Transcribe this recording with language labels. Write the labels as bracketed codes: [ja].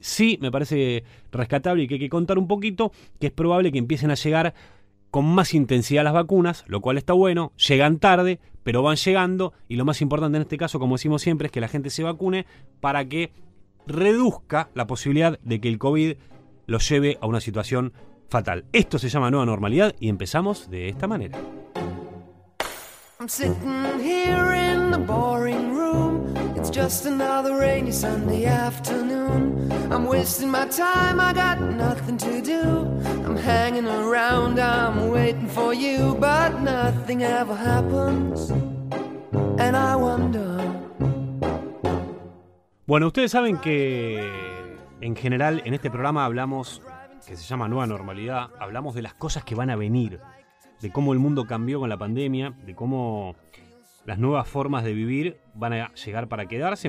[es] Sí, me parece rescatable y que hay que contar un poquito que es probable que empiecen a llegar con más intensidad las vacunas, lo cual está bueno, llegan tarde, pero van llegando y lo más importante en este caso, como decimos siempre, es que la gente se vacune para que reduzca la posibilidad de que el COVID lo lleve a una situación fatal. Esto se llama nueva normalidad y empezamos de esta manera. [en] I'm sitting here in the boring room. It's just another rainy Sunday afternoon. I'm wasting my time, I got nothing to do. I'm hanging around, I'm waiting for you. But nothing ever happens, and I wonder. [es] Bueno, ustedes saben que en general en este programa hablamos, que se llama Nueva Normalidad, hablamos de las cosas que van a venir, de cómo el mundo cambió con la pandemia, de cómo las nuevas formas de vivir van a llegar para quedarse.